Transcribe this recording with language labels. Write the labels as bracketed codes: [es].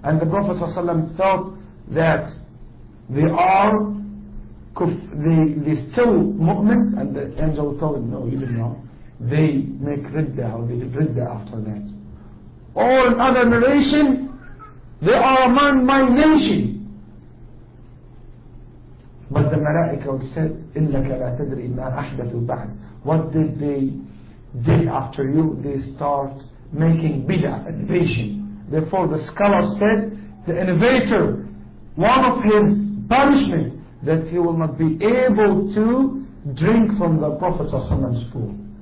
[en] And the Prophet ﷺ thought that they are they still mu'mins, and the angel told him, no, you don't know. They make riddah, or they did riddah after that. Or in other narration, they are among my nation. But the malaika said, [ar] إِلَّكَ لَا تَدْرِي مَا أَحْدَثُ بَعْدُ. [en] What did they do after you? They start making bid'ah, innovation. Therefore the scholar said, the innovator, one of his punishments, that he will not be able to drink from the Prophet ﷺ's pool.